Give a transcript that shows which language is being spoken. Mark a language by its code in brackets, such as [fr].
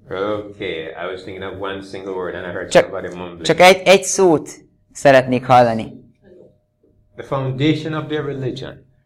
[en] Okay, I was thinking of one single word and I heard somebody mumbling. [hu] Csak egy szót szeretnék hallani. [en] The foundation of their religion.